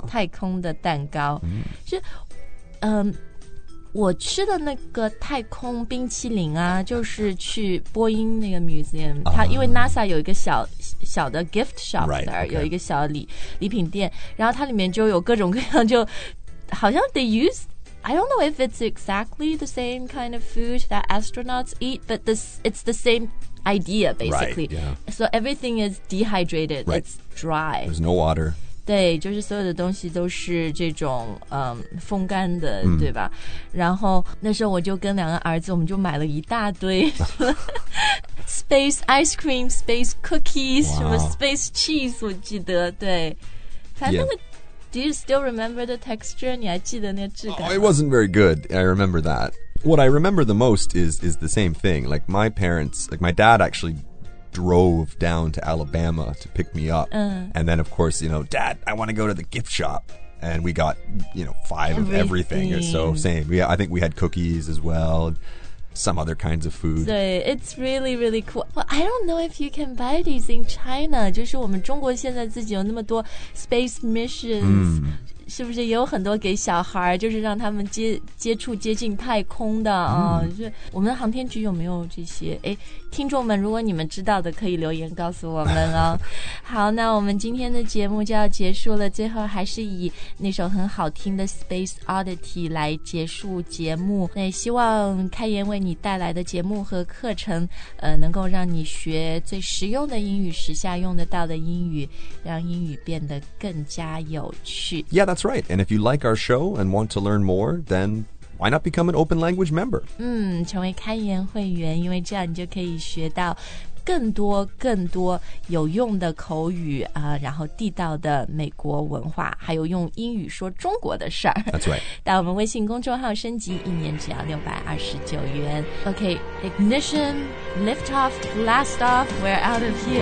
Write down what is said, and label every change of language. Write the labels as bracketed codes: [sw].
[zh] 太空的蛋糕。是，我吃的那个太空冰淇淋啊，就是去波音那个 museum， 它因为 NASA 有一个小的 gift shop [en] right, there，、 okay. [zh] 有一个小礼品店，然后它里面就有各种各样就，好像 [en] they use I don't know if it's exactly the same kind of food that astronauts eat, but it's the same idea basically. Right,、yeah. So everything is dehydrated.、 Right. It's dry. There's no water. [zh] 对，就是所有的东西都是这种风干的，对吧？然后那时候我就跟两个儿子，我们就买了一大堆 [en] space ice cream, space cookies,、 wow. [zh] 什么 space cheese， 我记得，对，反正那个。 [en] Yeah. Do you still remember the texture? [zh] 你还记得那个质感吗？ [en] Oh, it wasn't very good. I remember that. What I remember the most is the same thing. Like my parents, like my dad actually drove down to Alabama to pick me up. And then of course, you know, dad, I want to go to the gift shop. And we got, you know, five everything. Of everything. So same. Yeah, I think we had cookies as well. Some other kinds of food. 对, it's really, really cool. Well, I don't know if you can buy these in China. [zh] 就是我们中国现在自己有那么多 space missions. 是不是也有很多给小孩就是让他们接近太空的啊、就是我们航天局有没有这些诶听众们如果你们知道的可以留言告诉我们哦好那我们今天的节目就要结束了最后还是以那首很好听的 Space Oddity 来结束节目那也希望开言为你带来的节目和课程能够让你学最实用的英语时下用得到的英语让英语变得更加有趣 [en] Yeah,That's right. And if you like our show and want to learn more, then why not become an open language member? [zh] 成为开言会员，因为这样你就可以学到更多更多有用的口语啊，然后地道的美国文化，还有用英语说中国的事儿。 [en] That's right. [zh] 到我们微信公众号升级，一年只要629元。 [en] Okay, ignition, lift off, blast off, we're out of here.